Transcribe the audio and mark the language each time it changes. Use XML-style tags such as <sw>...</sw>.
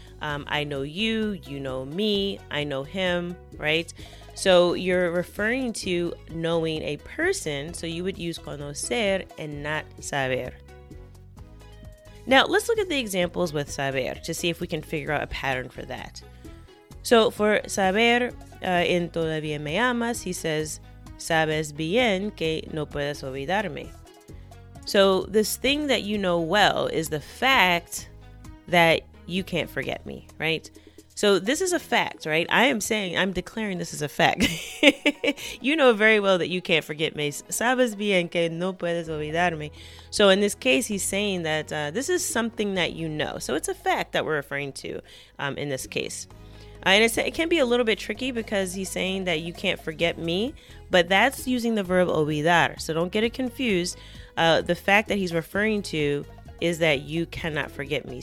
<en>I know you, you know me, I know him, right? So you're referring to knowing a person, so you would use conocer and not saber. Now, let's look at the examples with saber to see if we can figure out a pattern for that. So for saber, en todavía me amas, he says,</en> <es>sabes bien que no puedes olvidarme.</es> <en>So this thing that you know well is the fact that you can't forget me, right? So this is a fact, right? I'm declaring this is a fact. You know very well that you can't forget me.</en> <es>Sabes bien que no puedes olvidarme.</es> <en>So in this case, he's saying that this is something that you know. So it's a fact that we're referring to in this case. And it can be a little bit tricky because he's saying that you can't forget me, but that's using the verb olvidar. So don't get it confused. The fact that he's referring to is that you cannot forget me.</en>